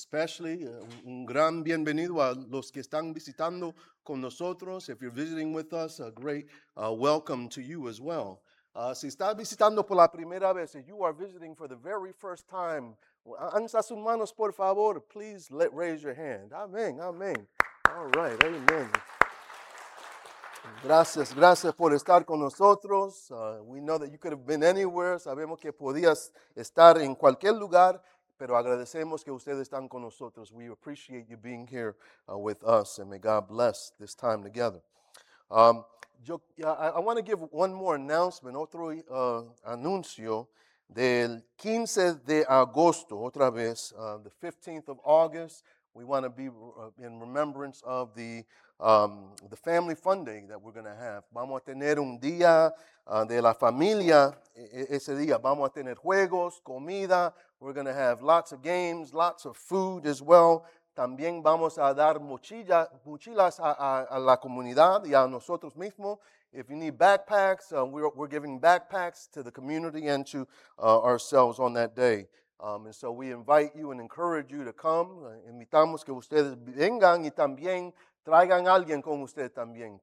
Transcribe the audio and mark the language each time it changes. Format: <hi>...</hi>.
<es>Especially, un gran bienvenido a los que están visitando con nosotros.</es> <en>If you're visiting with us, a great welcome to you as well.</en> <es>Si estás visitando por la primera vez,</es> <en>if you are visiting for the very first time,</en> <es>alza sus manos, por favor.</es> <en>Please let raise your hand. Amen, amen. All right, amen.</en> <es>Gracias, gracias por estar con nosotros.</es> <en>We know that you could have been anywhere.</en> <es>Sabemos que podías estar en cualquier lugar, pero agradecemos que ustedes están con nosotros.</es> <en>We appreciate you being here with us, and may God bless this time together. I want to give one more announcement,</en> <es>otro anuncio del 15 de agosto, otra vez,</es> <en>the 15th of August. We want to be in remembrance of the family fun day that we're going to have.</en> <es>Vamos a tener un día de la familia ese día. Vamos a tener juegos, comida.</es> <en>We're going to have lots of games, lots of food as well.</en> <es>También vamos a dar mochilas a la comunidad y a nosotros mismos.</es> <en>If you need backpacks, we're giving backpacks to the community and to ourselves on that day. And so we invite you and encourage you to come.</en> <es>Invitamos que ustedes vengan y también traigan alguien con ustedes también.</es>